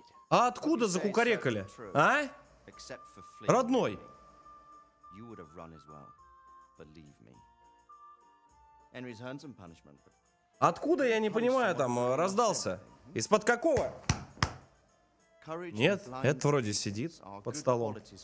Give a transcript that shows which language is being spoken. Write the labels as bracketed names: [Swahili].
[Russian] А откуда закукарекали, а? Родной. [English] You would have run as well, believe me. Henry's earned some punishment. [Russian] Откуда, я не понимаю, там раздался? Из-под какого? Нет, это вроде сидит под столом.